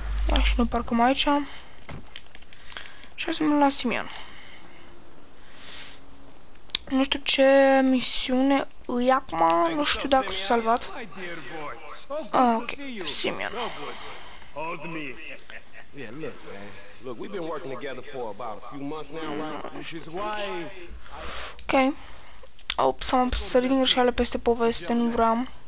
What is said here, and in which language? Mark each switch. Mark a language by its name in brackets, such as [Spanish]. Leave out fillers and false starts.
[Romanian] Mașină parcăm aici. Și hai să mergem la Simeon. Nu știu ce misiune îi acum, nu știu dacă s-a salvat. [English] Ok, Simeon. Hold me. Yeah, look, we've been working together for about a few months now, right? Which is why... Ok. [Romanian] Ops, am sărit din greșeală peste poveste, nu vreau.